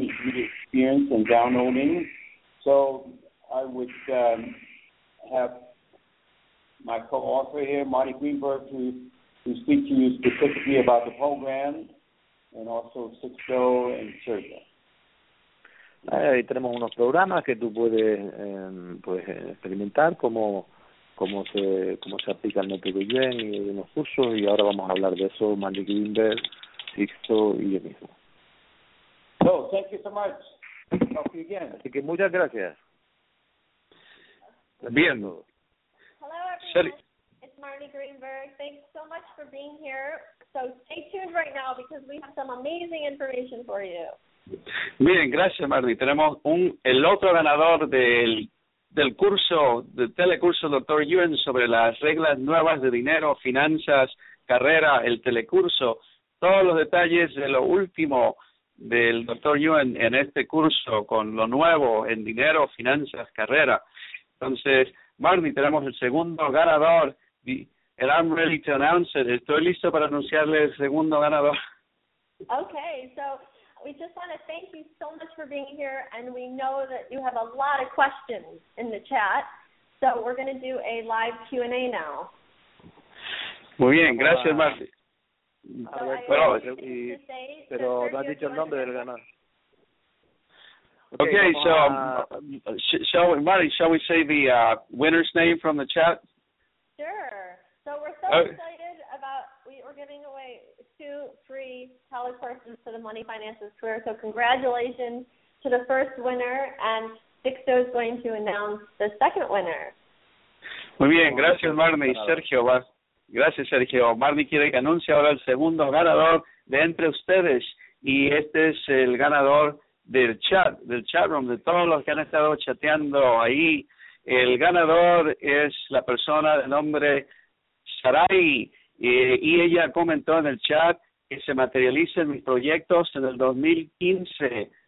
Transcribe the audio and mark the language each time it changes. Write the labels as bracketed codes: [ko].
[en] It's really experience and downloading. So I would have my co-author here, Marty Greenberg, to speak to you specifically about the program. And also Sixto and Sergio. [es] Ahí tenemos unos programas que tú puedes pues experimentar cómo se aplica el método Yuen y unos cursos, y ahora vamos a hablar de eso, Magic Greenberg, Sixto y yo mismo. [en] So, thank you so much. Talk to you again. [es] Así que muchas gracias. Bien. [en] Hello everyone. Shelley. It's Marnie Greenberg. Thanks so much for being here. So stay tuned right now because we have some amazing information for you. [es] Bien, gracias Marnie. Tenemos el otro ganador del curso, del telecurso Dr. Yuen sobre las reglas nuevas de dinero, finanzas, carrera, el telecurso. Todos los detalles de lo último del Dr. Yuen en este curso con lo nuevo en dinero, finanzas, carrera. Entonces, Marnie, tenemos el segundo ganador. [en] And I'm ready to announce it. [es] Estoy listo para anunciarle el segundo ganador. [en] Okay, so we just want to thank you so much for being here, and we know that you have a lot of questions in the chat, so we're going to do a live Q&A now. [es] Muy bien, gracias, Marcy. [en] So [es] pero no has dicho el nombre del ganador. [en] Okay, so shall we say the winner's name from the chat? Sure. So we're so excited about, we're giving away 2 free telecourses to the Money Finances Career. So congratulations to the first winner, and Sixto is going to announce the second winner. [es] Muy bien, gracias Marnie. Sergio, gracias Sergio. Marnie quiere que anuncie ahora el segundo ganador de entre ustedes, y este es el ganador del chat room, de todos los que han estado chateando ahí. El ganador es la persona de nombre Sarai, y ella comentó en el chat que se materialicen mis proyectos en el 2015.